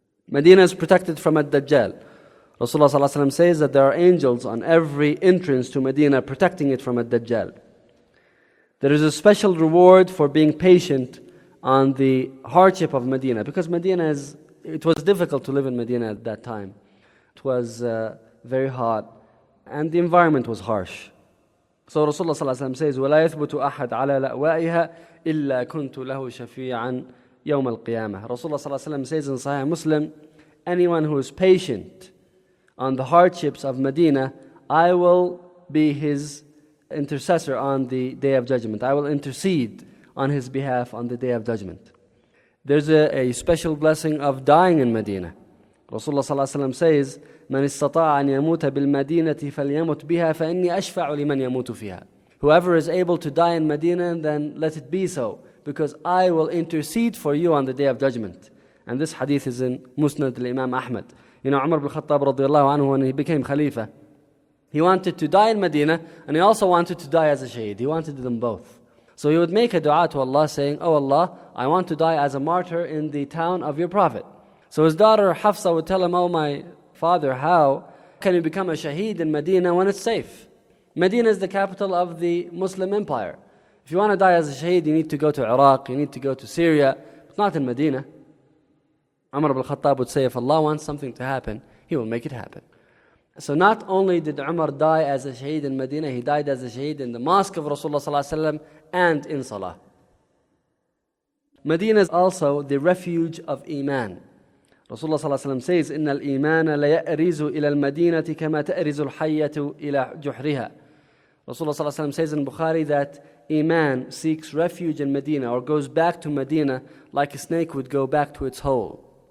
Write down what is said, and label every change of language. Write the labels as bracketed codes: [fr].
[en] Medina is protected from Ad-Dajjal. Rasulullah sallallahu alayhi wasallam says that there are angels on every entrance to Medina protecting it from Ad-Dajjal. There is a special reward for being patient on the hardship of Medina, because it was difficult to live in Medina at that time. It was very hot and the environment was harsh. [ar] So Rasulullah sallallahu alayhi wa sallam says, وَلَا يَثْبُتُ أَحَدْ عَلَى لَأْوَائِهَا إِلَّا كُنْتُ لَهُ شَفِيعًا يَوْمَ الْقِيَامَةِ. [en] Rasulullah sallallahu alayhi wa sallam says in Sahih Muslim, anyone who is patient on the hardships of Medina, I will be his intercessor on the Day of Judgment. I will intercede on his behalf on the Day of Judgment. There's a special blessing of dying in Medina. [ar] Rasulullah sallallahu alayhi wa sallam says, من استطاع أن يموت بالمدينة فليموت بها فإني أشفع لمن يموت فيها. [en] Whoever is able to die in Medina, then let it be so, because I will intercede for you on the Day of Judgment. And this hadith is in Musnad al-Imam Ahmad. You know, Umar ibn al-Khattab radiallahu anhu, when he became Khalifa, he wanted to die in Medina and he also wanted to die as a shaheed. He wanted them both. So he would make a dua to Allah saying, Oh Allah, I want to die as a martyr in the town of your Prophet. So his daughter Hafsa would tell him, Oh my father, how can you become a shaheed in Medina when it's safe? Medina is the capital of the Muslim empire. If you want to die as a shaheed, you need to go to Iraq, you need to go to Syria, but not in Medina. Umar ibn al-Khattab would say, if Allah wants something to happen, he will make it happen. So not only did Umar die as a shaheed in Medina, he died as a shaheed in the mosque of Rasulullah sallallahu alayhi wa sallam and in Salah. Medina is also the refuge of Iman. [ar] Rasulullah sallallahu alayhi wa sallam says, إِنَّ الْإِيمَانَ لَيَأْرِزُ إِلَى الْمَدِينَةِ كَمَا تَأْرِزُ الْحَيَّةُ إِلَى جُحْرِهَا. [en] Rasulullah sallallahu alayhi wa sallam says in Bukhari that Iman seeks refuge in Medina or goes back to Medina like a snake would go back to its hole.